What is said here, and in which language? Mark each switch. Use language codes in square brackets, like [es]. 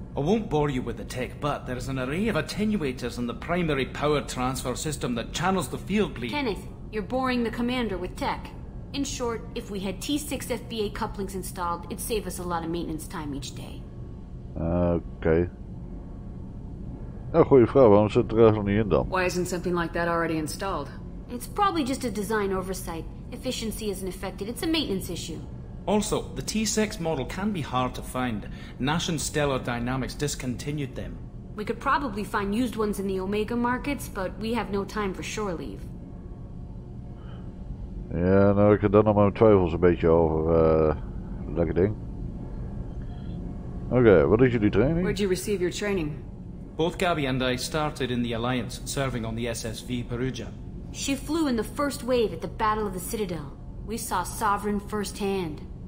[en] I won't bore you with the tech, but there's an array of attenuators in the primary power transfer system that channels the field bleed. Kenneth, you're boring the commander with tech. In short, if we had T6 FBA couplings installed, it'd save us a lot of maintenance time each day. Okay. [nl] Nou, goeie vrouw, waarom zit het er eigenlijk niet in dan? [en] Why isn't something like that already installed? It's probably just a design oversight. Efficiency isn't affected, it's a maintenance issue. Also, the T6 model can be hard to find. Nash and Stellar Dynamics discontinued them. We could probably find used ones in the Omega markets, but we have no time for shore leave. [nl] Ja, nou, ik heb dan nog mijn twijfels een beetje over lekker ding. Okay, wat is jullie training? [en] Where did you receive your training? Both Gabby and I started in the Alliance, serving on the SSV Perugia. She flew in the first wave at the Battle of the Citadel. We saw Sovereign firsthand.